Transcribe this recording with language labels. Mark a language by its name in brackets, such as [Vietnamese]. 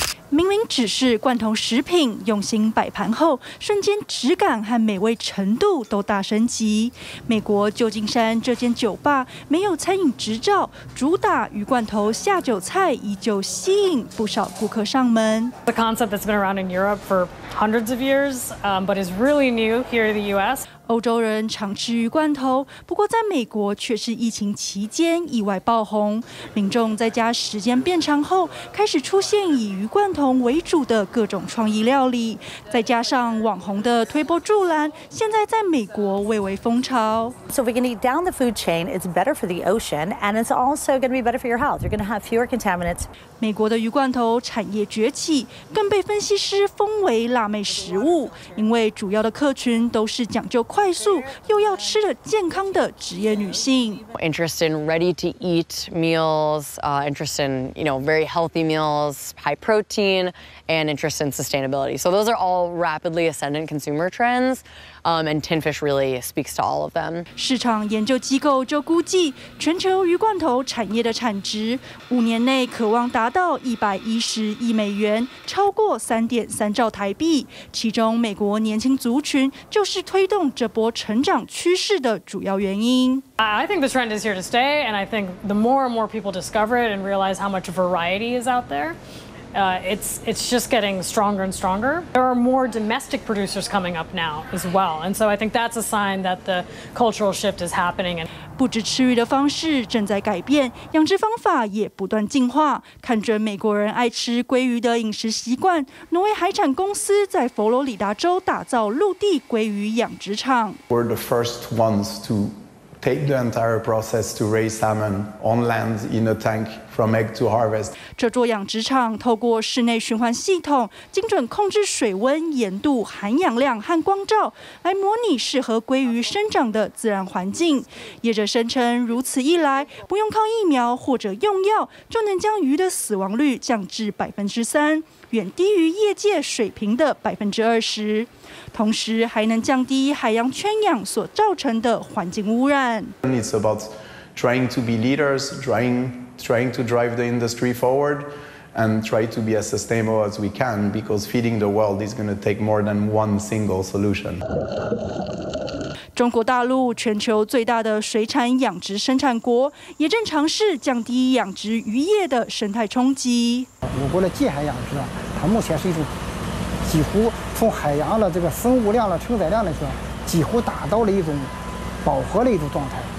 [Chinese] 明明只是罐头食品，用心摆盘后，瞬间质感和美味程度都大升级。美国旧金山这间酒吧没有餐饮执照，主打鱼罐头下酒菜，依旧吸引不少顾客上门。 [English] The concept that's been around in Europe for hundreds of years, but is really new here in the U.S. [Chinese] 欧洲人常吃鱼罐头，不过在美国却是疫情期间意外爆红。民众在家时间变长后，开始出现以鱼罐头为主的各种创意料理，再加上网红的推波助澜，现在在美国蔚为风潮。 [English] So we can eat down the food chain. It's better for the ocean, and it's also going to be better for your health. You're going to have fewer contaminants. [Chinese] 美国的鱼罐头产业崛起，更被分析师封为辣妹食物，因为主要的客群都是讲究。快速又要吃的健康的职业女性 [English] ，interest in ready to eat meals, interest in you know very healthy meals, high protein, and interest in sustainability. So those are all rapidly ascendant consumer trends, and Tinfish really speaks to all of them. [Chinese] 市场研究机构就估计，全球鱼罐头产业的产值5年内渴望达到110亿美元，超过3.3兆台币。其中美国年轻族群就是推动这波成长趋势的主要原因。 [English] I think the trend is here to stay, and I think the more and more people discover it and realize how much variety is out there, it's just getting stronger and stronger. There are more domestic producers coming up now as well, and so I think that's a sign that the cultural shift is happening. [Chinese] 不止吃鱼的方式正在改变，养殖方法也不断进化。看着美国人爱吃鲑鱼的饮食习惯，挪威海产公司在佛罗里达州打造陆地鲑鱼养殖场。 [English] We're the first ones to. Take the entire process to raise salmon on land in a tank from egg to harvest. [Chinese] 这座养殖场透过室内循环系统，精准控制水温、盐度、含氧量和光照，来模拟适合鲑鱼生长的自然环境。业者声称，如此一来，不用靠疫苗或者用药，就能将鱼的死亡率降至3%，远低于业界水平的20%。同时还能降低海洋圈养所造成的环境污染。 [English] It's about trying to be leaders, trying to drive the industry forward, and try to be as sustainable as we can, because feeding the world is going to take more than one single solution. [Chinese] 中国大陆全球最大的水产养殖生产国，也正尝试降低养殖渔业的生态冲击。我国的近海养殖，它目前是一种。几乎从海洋的这个生物量的承载量来说，几乎达到了一种饱和的一种状态。